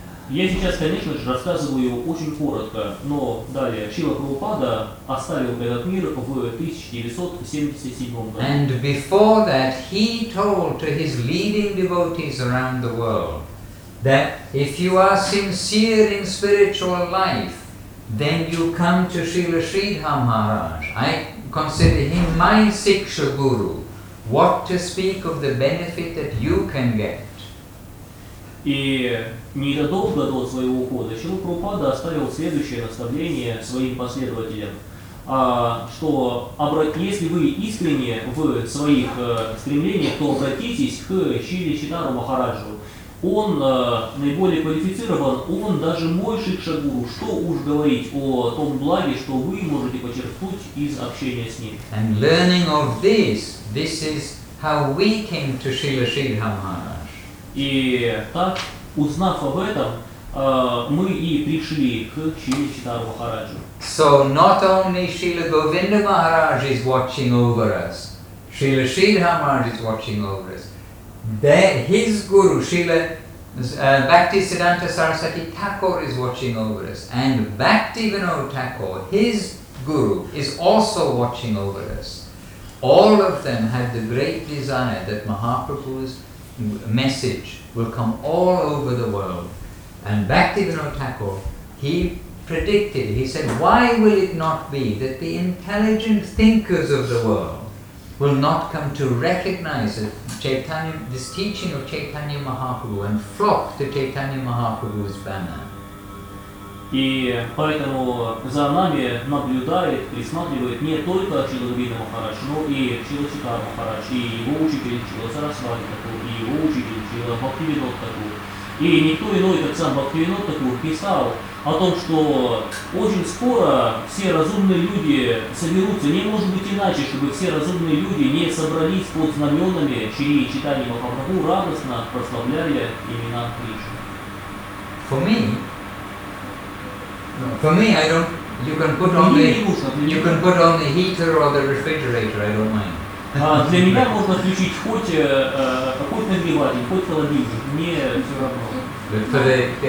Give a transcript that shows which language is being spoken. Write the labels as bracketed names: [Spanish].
[Russian] Я сейчас, конечно же, рассказываю его очень коротко, но далее. Шрила Прабхупада оставил этот мир в 1977 году. [English] And before that, he told to his leading devotees around the world that if you are sincere in spiritual life, then you come to Srila Sridhar Maharaj. Consider him my Siksha Guru. What to speak of the benefit that you can get? [Russian] И незадолго до своего ухода Шрила Прабхупада оставил следующее наставление своим последователям, что если вы искренне в своих стремлениях, то обратитесь к Шриле Читару Махараджу. Он наиболее квалифицирован, он даже мой шикшагуру. Что уж говорить о том благе, что вы можете почерпнуть из общения с ним. [English] And learning of this, this is how we came to Srila Sridhar Maharaj. [Russian] И так, узнав об этом, мы и пришли к Шриле Читару Махараджу. [English] So not only Srila Govinda Maharaj is watching over us, Srila Sridhar Maharaj is watching over us. His guru, Srila Bhaktisiddhanta Sarasvati Thakur, is watching over us. And Bhaktivinoda Thakur, his guru, is also watching over us. All of them have the great desire that Mahaprabhu's message will come all over the world. And Bhaktivinoda Thakur, he predicted, he said, why will it not be that the intelligent thinkers of the world will not come to recognize this teaching of Chaitanya Mahaprabhu and flock to Chaitanya Mahaprabhu's banner. [Russian] И поэтому за нами наблюдает, присматривает не только Шрила Говинда Махарадж, но и Шрила Читар Махарадж, и его учитель Шрила Сарасвати Такур, и его учитель Шрила Бхактивинода Такур. И никто иной, как сам Бхактивинода Такур, писал о том, что очень скоро все разумные люди соберутся. Не может быть иначе, чтобы все разумные люди не собрались под знаменами, чьи читания Махапрабху радостно прославляли имена Кришны. [English] For me, I don't. You can put on the heater or the refrigerator. I don't mind. [Russian] Для меня можно включить хоть нагреватель, хоть холодильник, мне все равно.